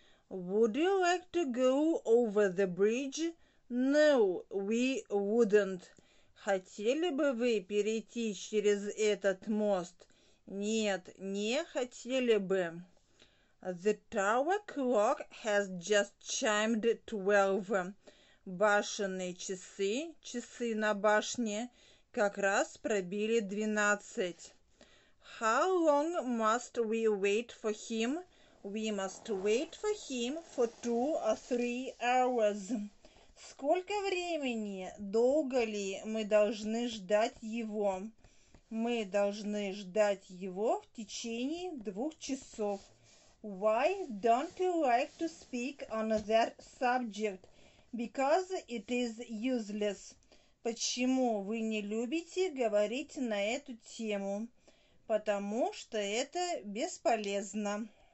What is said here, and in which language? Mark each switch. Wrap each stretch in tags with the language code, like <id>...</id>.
<en>Would you like to go over the bridge? No, we wouldn't.</en> <ru>Хотели бы вы перейти через этот мост? Нет, не хотели бы.</ru> <en>The tower clock has just chimed 12.</en> <ru>Башенные часы, часы на башне, как раз пробили 12.</ru> <en>How long must we wait for him? We must wait for him for 2 or 3 hours.</en> <ru>Сколько времени? Долго ли мы должны ждать его? Мы должны ждать его в течение 2 часов.</ru> <en>Why don't you like to speak on that subject? Because it is useless.</en> <ru>Почему вы не любите говорить на эту тему? Потому что это бесполезно.</ru>